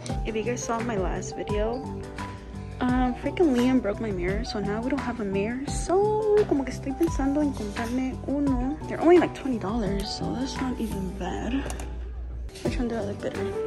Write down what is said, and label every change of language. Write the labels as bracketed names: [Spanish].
[English] If you guys saw my last video, freaking Liam broke my mirror, so now we don't have a mirror. [Spanish] So, como que estoy pensando en comprarme uno. [English] They're only like $20, so that's not even bad. Which one do I like better?